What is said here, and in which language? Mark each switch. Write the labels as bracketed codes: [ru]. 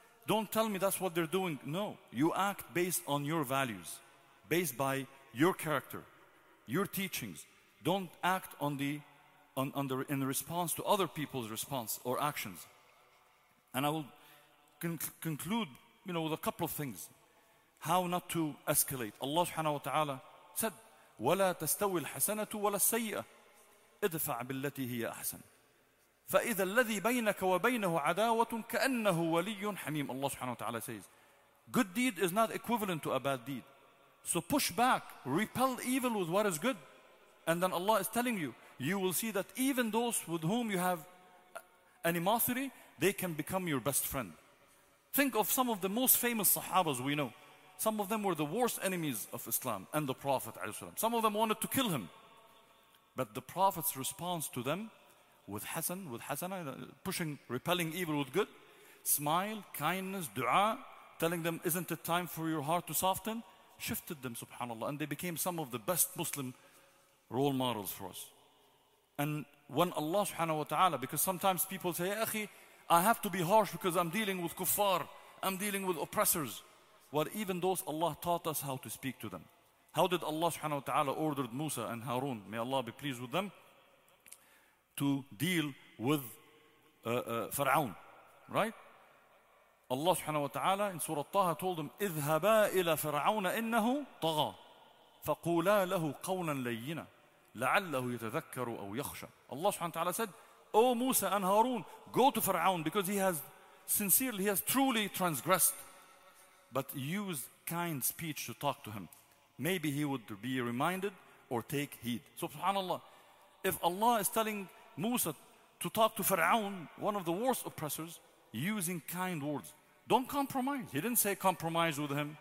[en] Don't tell me that's what they're doing. No. You act based on your values, based by your character, your teachings. Don't act on the in response to other people's response or actions. And I will conclude, you know, with a couple of things. How not to escalate. Allah subhanahu wa ta'ala said, [ar] وَلَا تَسْتَوِي الْحَسَنَةُ وَلَا السَّيِّئَةُ اِدْفَعْ بِالَّتِي هِيَ أَحْسَنُ فَإِذَا الَّذِي بَيْنَكَ وَبَيْنَهُ عَدَاوَةٌ كَأَنَّهُ وَلِيٌّ حَمِيمٌ. [en] Allah subhanahu wa ta'ala says, good deed is not equivalent to a bad deed. So push back, repel evil with what is good. And then Allah is telling you, you will see that even those with whom you have animosity, they can become your best friend. Think of some of the most famous sahabas we know. Some of them were the worst enemies of Islam and the Prophet ﷺ. Some of them wanted to kill him. But the Prophet's response to them with hasan, with hasana, pushing, repelling evil with good, smile, kindness, dua, telling them, isn't it time for your heart to soften, shifted them, subhanAllah, and they became some of the best Muslim role models for us. And when Allah subhanahu wa ta'ala, because sometimes people say, Akhi, I have to be harsh because I'm dealing with kuffar, I'm dealing with oppressors. Well, even those, Allah taught us how to speak to them. How did Allah subhanahu wa ta'ala ordered Musa and Harun, may Allah be pleased with them, to deal with Fir'aun, right? Allah subhanahu wa ta'ala in Surah Taha told him, [ar] اِذْهَبَا إِلَى فِرْعَوْنَ إِنَّهُ طَغَى فَقُولَا لَهُ قَوْلًا لَيِّنًا لَعَلَّهُ يَتَذَكَّرُ أَوْ يَخْشَى. [en] Allah subhanahu wa ta'ala said, O Musa and Harun, go to Fir'aun because he has truly transgressed. But use kind speech to talk to him. Maybe he would be reminded or take heed. So, subhanAllah, if Allah is telling Musa to talk to Fir'aun, one of the worst oppressors, using kind words, don't compromise. He didn't say compromise with him.